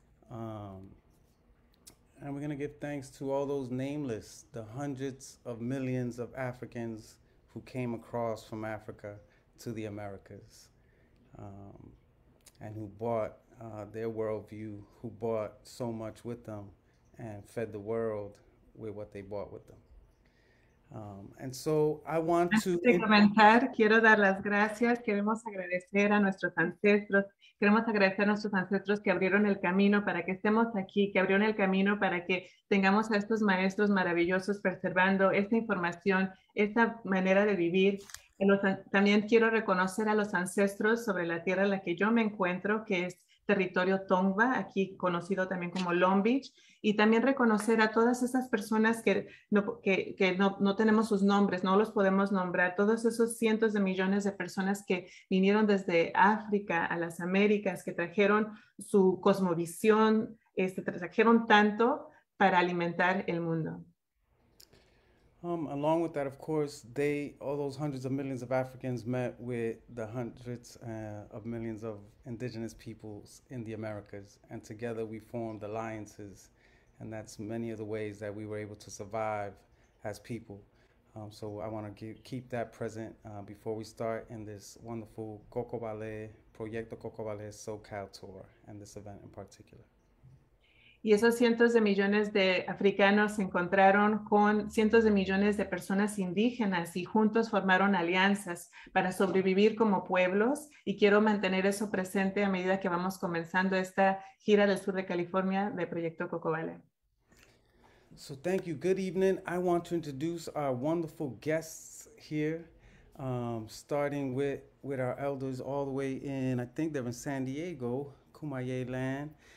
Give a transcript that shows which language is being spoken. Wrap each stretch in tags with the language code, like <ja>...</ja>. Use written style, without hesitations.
<en>And we're going to give thanks to all those nameless, the hundreds of millions of Africans who came across from Africa to the Americas, and who bought their worldview, who bought so much with them and fed the world with what they bought with them. And so I want to</en> <es>comentar, quiero dar las gracias, queremos agradecer a nuestros ancestros, queremos agradecer a nuestros ancestros que abrieron el camino para que estemos aquí, que abrieron el camino para que tengamos a estos maestros maravillosos preservando esta información, esta manera de vivir. También quiero reconocer a los ancestros sobre la tierra en la que yo me encuentro, que es territorio Tongva, aquí conocido también como Long Beach, y también reconocer a todas esas personas que no tenemos sus nombres, no los podemos nombrar, todos esos cientos de millones de personas que vinieron desde África a las Américas, que trajeron su cosmovisión, trajeron tanto para alimentar el mundo.</es> <en>Along with that, of course, all those hundreds of millions of Africans met with the hundreds of millions of indigenous peoples in the Americas, and together we formed alliances, and that's many of the ways that we were able to survive as people. So I want to keep that present before we start in this wonderful Kokobale, Proyecto Kokobale SoCal Tour, and this event in particular.</en> <es>Y esos cientos de millones de africanos se encontraron con cientos de millones de personas indígenas y juntos formaron alianzas para sobrevivir como pueblos. Y quiero mantener eso presente a medida que vamos comenzando esta gira del sur de California de Proyecto Kokobale.</es> <en>So thank you. Good evening. I want to introduce our wonderful guests here, starting with our elders all the way in, I think they're in San Diego, Kumaye land.</en>